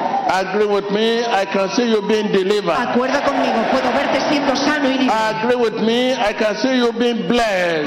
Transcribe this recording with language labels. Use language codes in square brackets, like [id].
[en] Agree with me, I can see you being delivered. [es] Acuerda conmigo, puedo verte siendo sano y libre. [en] Agree with me, I can see you being blessed.